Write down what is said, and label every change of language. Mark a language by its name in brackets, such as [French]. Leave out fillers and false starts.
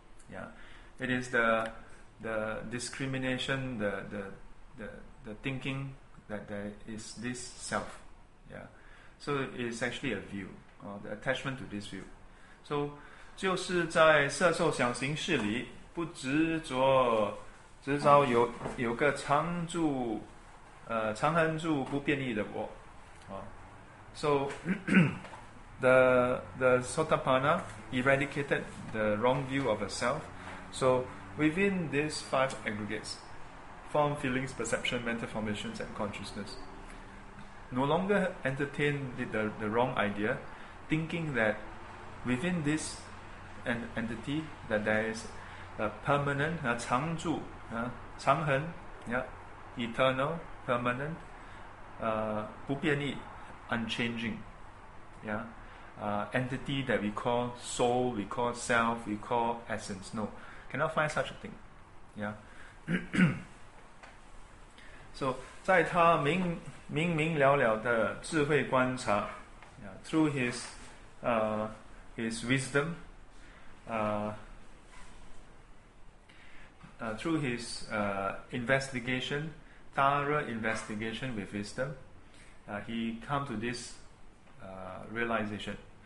[English] Yeah, it is the discrimination, the thinking that there is this self. Yeah, so it is actually a view, the attachment to this view. So [Chinese] 就是在色受想行识里 不执着，执着有个常住，常恒住不变异的我。 [English] So the Sotapanna eradicated the wrong view of a self. So within these five aggregates, form, feelings, perception, mental formations, and consciousness, no longer entertain the wrong idea, thinking that within this an entity that there is a permanent, [Chinese] 常住, 常恒, [English] yeah, eternal, permanent, [Chinese] 不变异, [English] unchanging, yeah, entity that we call soul, we call self, we call essence. No, cannot find such a thing. Yeah. [Chinese] So, 在他明明了了的智慧观察, [English] yeah, through his wisdom, through his investigation, thorough investigation with wisdom, he come to this realization.